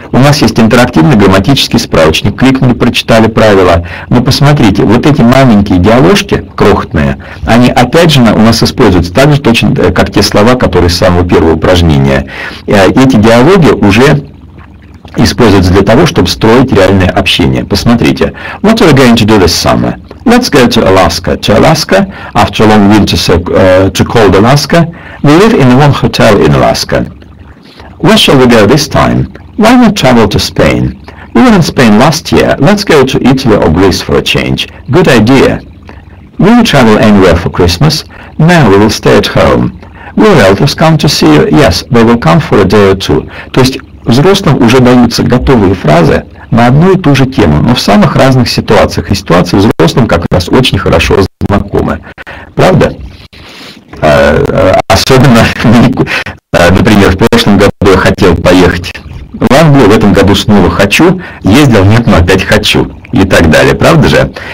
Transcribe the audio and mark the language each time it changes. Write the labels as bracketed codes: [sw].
[ru] У нас есть интерактивный грамматический справочник. Кликнули, прочитали правила. Но посмотрите, вот эти маленькие диаложки, крохотные, они опять же у нас используются так же, точно, как те слова, которые с самого первого упражнения. Эти диалоги уже используется для того, чтобы строить реальное общение. Посмотрите. [en] What are we going to do this summer? Let's go to Alaska. To Alaska, after a long winter, to cold Alaska. We live in one hotel in Alaska. Where shall we go this time? Why not travel to Spain? We were in Spain last year. Let's go to Italy or Greece for a change. Good idea. Will you travel anywhere for Christmas? No, we will stay at home. Will relatives come to see you? Yes, they will come for a day or two. [ru] То есть взрослым уже даются готовые фразы на одну и ту же тему, но в самых разных ситуациях. И ситуации взрослым как раз очень хорошо знакомы. Правда? Особенно, например, в прошлом году я хотел поехать в Англию, в этом году снова хочу, ездил, нет, но опять хочу. И так далее. Правда же?